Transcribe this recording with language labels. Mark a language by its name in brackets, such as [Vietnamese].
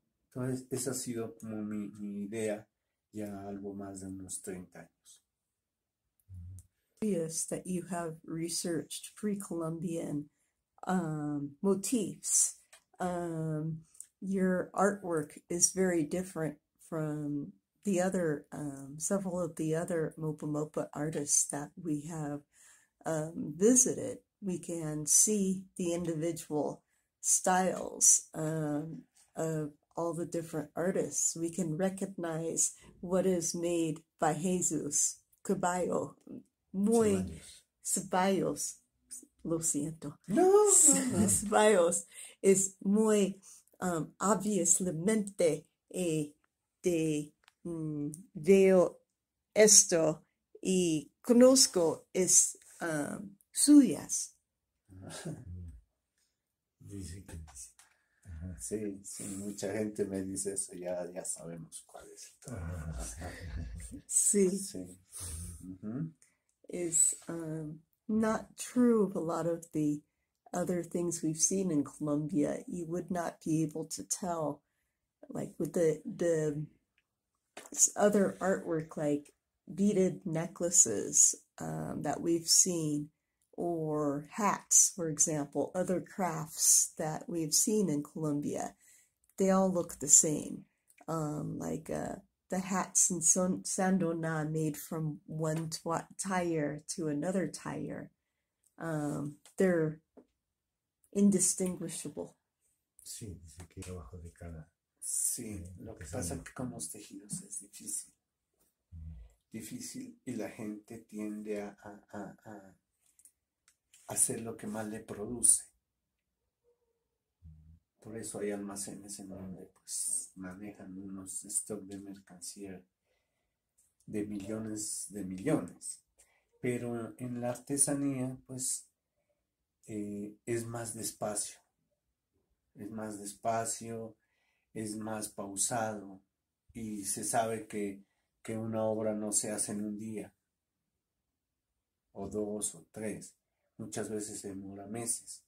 [Spanish] Entonces, esa ha sido como mi idea ya algo más de unos 30 años. [English] That you have researched pre-Columbian motifs. Your artwork is very different from the other several of the other Mopa Mopa artists that we have visited. We can see the individual styles of all the different artists. We can recognize what is made by Jesus Caballo. [Spanish] Muy Ceballos. Ceballos, lo siento. No, no, no. Ceballos es muy obviamente de veo esto y conozco es suyas. Dice que dice. Sí, mucha gente me dice eso, ya sabemos cuál es y todo. Sí. Sí. [English] Is not true of a lot of the other things we've seen in Colombia. You would not be able to tell, like with the other artwork, like beaded necklaces that we've seen, or hats, for example, other crafts that we've seen in Colombia, they all look the same. Like the hats in Sandona made from one tire to another tire, they're indistinguishable. [Spanish] Sí, dice que trabajo de cada Sí, lo que pasa es diseño. que con los tejidos es difícil. Difícil, y la gente tiende a hacer lo que más le produce. Por eso hay almacenes en donde pues manejan unos stocks de mercancía de millones, pero en la artesanía pues es más despacio, es más despacio, es más pausado y se sabe que una obra no se hace en un día, o dos o tres, muchas veces se demora meses.